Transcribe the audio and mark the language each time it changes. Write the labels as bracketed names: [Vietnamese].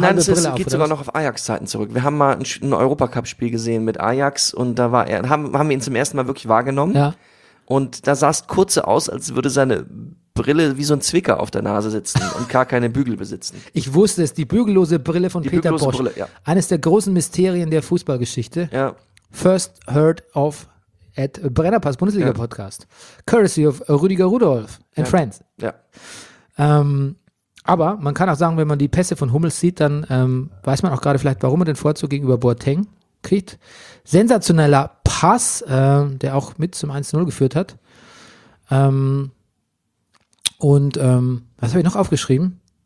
[German] Nein, es geht sogar noch auf Ajax-Zeiten zurück. Wir haben mal ein Europacup-Spiel gesehen mit Ajax und da war haben wir ihn zum ersten Mal wirklich wahrgenommen. Ja. Und da sah es kurz so aus, als würde seine Brille wie so ein Zwicker auf der Nase sitzen und gar keine Bügel besitzen. Ich wusste es, die bügellose Brille von Peter Bosch. Brille, ja. Eines der großen Mysterien der Fußballgeschichte. Ja. [English] First heard of at Brennerpass, Bundesliga-Podcast. [German] Ja. [English] Courtesy of Rüdiger Rudolph and [German] ja. [English] Friends. [German] Ja. Aber man kann auch sagen, wenn man die Pässe von Hummels sieht, dann weiß man auch gerade vielleicht, warum er den Vorzug gegenüber Boateng kriegt. Sensationeller Pass, der auch mit zum 1-0 geführt hat. Was habe ich noch aufgeschrieben?